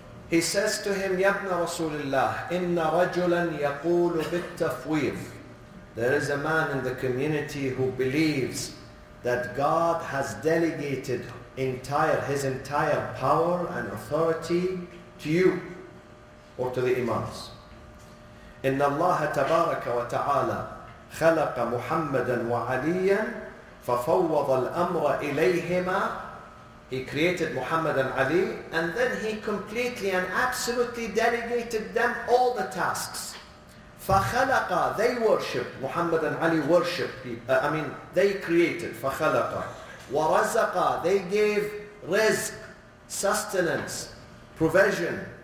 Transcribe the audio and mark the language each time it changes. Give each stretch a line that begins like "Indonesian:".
English: He says to him,
Arabic: Ya ibn Rasulullah, inna rajulan yaqulu bit-tafwid.
English: There is a man in the community who believes that God has delegated his entire power and authority to you or to the Imams.
Arabic: إن الله تبارك وتعالى خلق محمدا وعليا ففوض الأمر إليهما.
English: He created Muhammad and Ali, and then he completely and absolutely delegated them all the tasks.
Arabic: فخلق,
English: they worship Muhammad and Ali, worship people. I mean, they created.
Arabic: فخلق ورزق,
English: they gave rizq, sustenance, provision.